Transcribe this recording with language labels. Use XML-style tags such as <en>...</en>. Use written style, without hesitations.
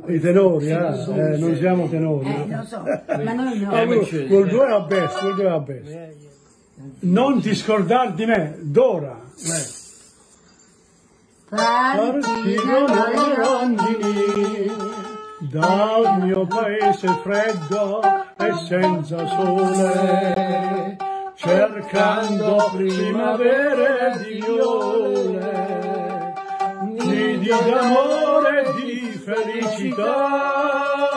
<it>questo. I tenori, non siamo tenori. Non so, ma noi no.</it> <en>We'll do our best, we'll do our best.</en> <it>Non ti scordar di me, Dora. Partirò dalle rondini, dal mio paese freddo e senza sole, cercando primavere di viole, nidi d'amore e di felicità.</it>